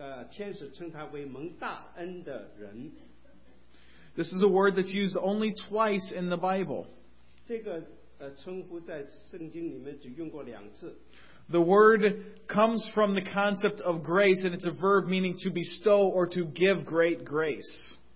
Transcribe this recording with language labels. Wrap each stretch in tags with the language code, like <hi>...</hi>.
<zh>天使称她为蒙大恩的人。</zh> <en>This is a word that's used only twice in the Bible.</en> <zh>这个称呼在圣经里面只用过两次。</zh> <en>The word comes from the concept of grace, and it's a verb meaning to bestow or to give great grace.</en>